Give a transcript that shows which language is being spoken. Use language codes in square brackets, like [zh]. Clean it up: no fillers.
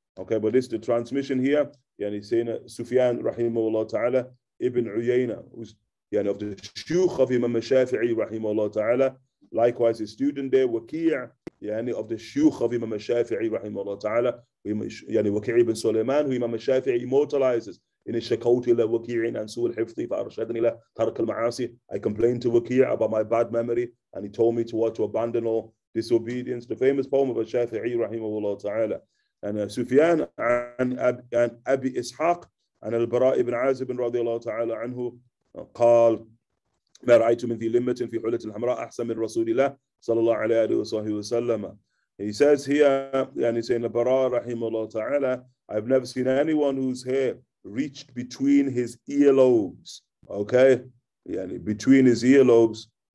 [en] Okay, but this, the transmission here, yani saying Sufyan, rahimahullah ta'ala, ibn Uyayna, who's yani of the shuykh of Imam Shafi'i, rahimahullah ta'ala, likewise his student there, Waqi'a, yani of the shuykh of Imam Shafi'i, rahimahullah ta'ala, yani Waqi'i ibn Sulaiman, who Imam Shafi'i immortalizes in his Shakawti ila Waqi'in and Su'ul Hifzi fa'arshadni ila Tarq al-Ma'asi. I complained to Waqi'i about my bad memory, and he told me to abandon all disobedience. The famous poem of Shafi'i, rahimahullah ta'ala. [ar] And Sufyan and Abi Ishaq and al-Bara ibn Azib, radiallahu ta'ala anhu, qal, ما رأيت من ذي لمة في حلة الحمراء أحسن من رسول الله صلى الله عليه وصحبه وسلم. [en] He says here, [ar] يعني سيدنا براء رحمه الله تعالى, [en] I've never seen anyone whose hair reached between his earlobes. Okay, يعني between his earlobes.